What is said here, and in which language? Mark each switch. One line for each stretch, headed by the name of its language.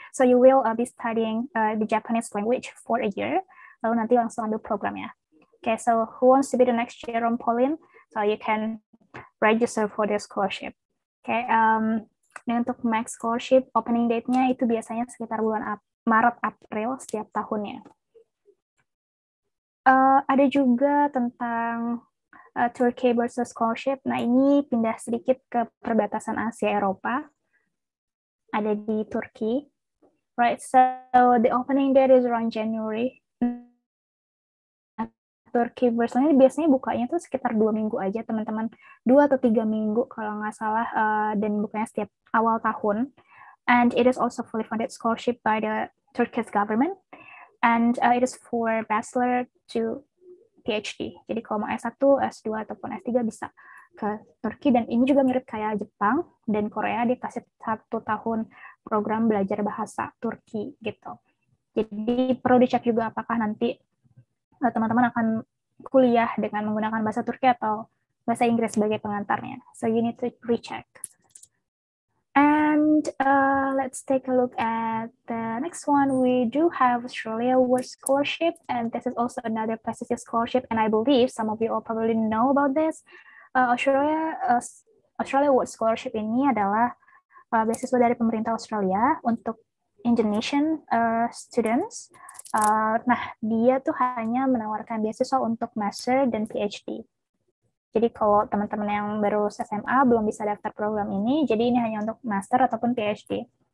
English: So you will be studying the Japanese language for a year.
Indonesian: Lalu nanti langsung ambil programnya.
English: Okay, so who wants to be the next Jerome Pauline? So you can register for this scholarship.
Indonesian: Okay, nah, untuk Max Scholarship, opening date-nya itu biasanya sekitar bulan Maret-April setiap tahunnya. Ada juga tentang Turkey Bursa Scholarship. Nah, ini pindah sedikit ke perbatasan Asia-Eropa. Ada di Turki.
English: Right, so the opening date is around January.
Indonesian: Turki biasanya biasanya bukanya tuh sekitar 2 minggu aja, teman-teman. 2 atau 3 minggu kalau nggak salah, dan bukanya setiap awal tahun.
English: And it is also fully funded scholarship by the Turkish government. And it is for bachelor to PhD.
Indonesian: Jadi kalau mau S1, S2, ataupun S3 bisa ke Turki. Dan ini juga mirip kayak Jepang dan Korea, dikasih 1 tahun program belajar bahasa Turki gitu. Jadi perlu dicek juga apakah nanti teman-teman akan kuliah dengan menggunakan bahasa Turki atau bahasa Inggris sebagai pengantarnya.
English: So you need to recheck. And let's take a look at the next one. We do have Australia Award Scholarship, and this is also another prestigious scholarship. And I believe some of you all probably know about this.
Indonesian: Australia Award Scholarship ini adalah beasiswa dari pemerintah Australia untuk Indonesian students. Nah, dia tuh hanya menawarkan beasiswa untuk master dan PhD. Jadi kalau teman-teman yang baru SMA belum bisa daftar program ini, jadi ini hanya untuk master ataupun PhD.